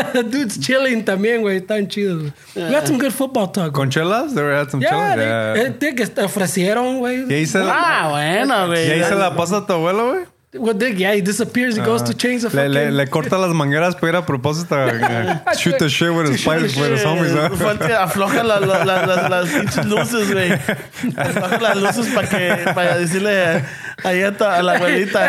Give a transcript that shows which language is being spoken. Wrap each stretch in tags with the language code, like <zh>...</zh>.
<en>Dude's chilling</en> <es>también, güey. Están chidos.</es> <en>Yeah. We had some good football talk.</en> <es>¿Con chelas?</es> <en>They had some chelas.</en> <es>Yeah. Te ofrecieron, güey. Ah, bueno, güey. ¿Y ahí se la pasa a tu abuelo, güey?</es> <en>What dick? Yeah, he disappears. He goes to change the fucking...</en> <es>Le corta las mangueras, pero era a propósito.</es> <en>Shoot the shit with his pipes, with his homies.</en> <es>Fuente, afloja las luces, güey. Afloja las luces para decirle ahí está a la abuelita.</es>